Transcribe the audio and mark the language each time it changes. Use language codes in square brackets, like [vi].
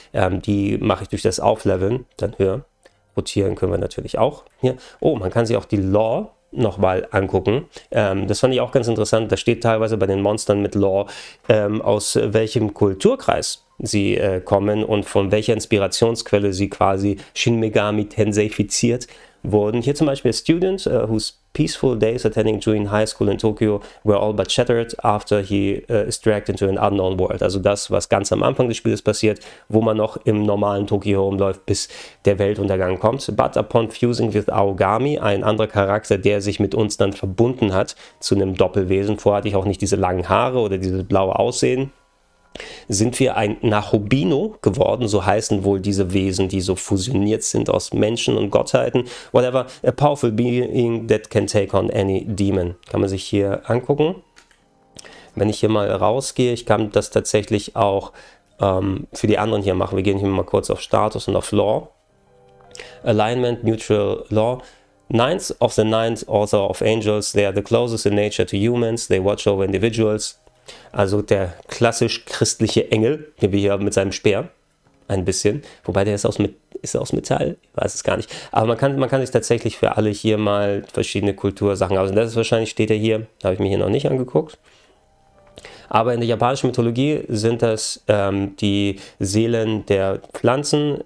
[de] Die mache ich durch das Aufleveln dann höher. Rotieren können wir natürlich auch hier. Oh, man kann sich auch die Lore nochmal angucken. Das fand ich auch ganz interessant. Da steht teilweise bei den Monstern mit Lore, aus welchem Kulturkreis sie kommen und von welcher Inspirationsquelle sie quasi Shin Megami tenseifiziert wurden. Hier zum Beispiel: [en] Student, whose peaceful days attending Julian High School in Tokyo were all but shattered after he is dragged into an unknown world. [de] Also das, was ganz am Anfang des Spiels passiert, wo man noch im normalen Tokio rumläuft, bis der Weltuntergang kommt. [en] But upon fusing with Aogami, [de] ein anderer Charakter, der sich mit uns dann verbunden hat zu einem Doppelwesen, vorher hatte ich auch nicht diese langen Haare oder dieses blaue Aussehen, sind wir ein Nachobino geworden, so heißen wohl diese Wesen, die so fusioniert sind aus Menschen und Gottheiten. [en] Whatever, a powerful being that can take on any demon. [de] Kann man sich hier angucken. Wenn ich hier mal rausgehe, ich kann das tatsächlich auch für die anderen hier machen. Wir gehen hier mal kurz auf Status und auf Lore. [en] Alignment, Neutral Lore. Ninth of the ninth Order of Angels. They are the closest in nature to humans. They watch over individuals. [de] Also der klassisch christliche Engel, wie wir hier mit seinem Speer, ein bisschen. Wobei der ist aus Metall, ich weiß es gar nicht. Aber man kann sich tatsächlich für alle hier mal verschiedene Kultursachen. Also das ist wahrscheinlich, steht er hier, habe ich mir hier noch nicht angeguckt. Aber in der japanischen Mythologie sind das die Seelen der Pflanzen.